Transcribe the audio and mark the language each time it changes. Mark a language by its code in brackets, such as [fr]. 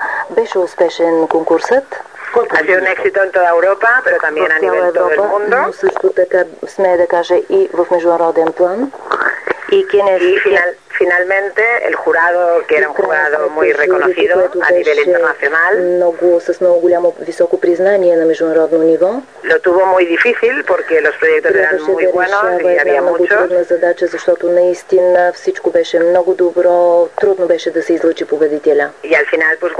[bg] Беше успешен конкурсът. [es] Ha sido un éxito en toda Europa, pero también a nivel todo el mundo. [bg] Но също така, смея да кажа, и в международен план. [es] Y finalmente el jurado, que era un jurado muy reconocido a nivel internacional, lo tuvo muy difícil porque los proyectos eran muy buenos y había muchos. Y al final, pues bueno, ganó un joven diseñador de China.